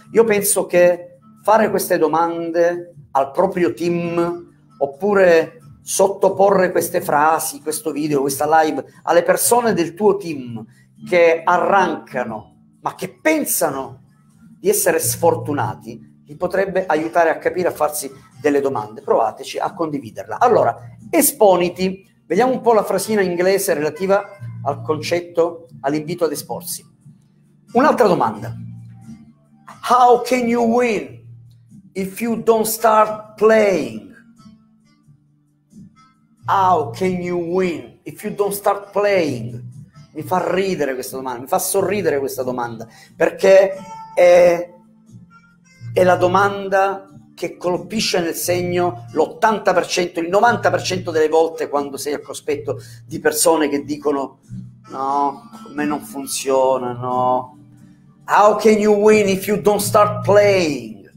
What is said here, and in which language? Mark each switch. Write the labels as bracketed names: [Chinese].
[Italian] Io penso che fare queste domande al proprio team, oppure sottoporre queste frasi, questo video, questa live alle persone del tuo team che arrancano ma che pensano di essere sfortunati, li potrebbe aiutare a capire, a farsi delle domande. Provateci a condividerla. Allora, esponiti. Vediamo un po' la frasina inglese relativa al concetto, all'invito ad esporsi. Un'altra domanda: [English] how can you win if you don't start playing? How can you win if you don't start playing? [Italian] Mi fa ridere questa domanda, mi fa sorridere questa domanda, perché è la domanda che colpisce nel segno l'80%, il 90% delle volte quando sei al cospetto di persone che dicono: no, come non funziona, no. [English] How can you win if you don't start playing?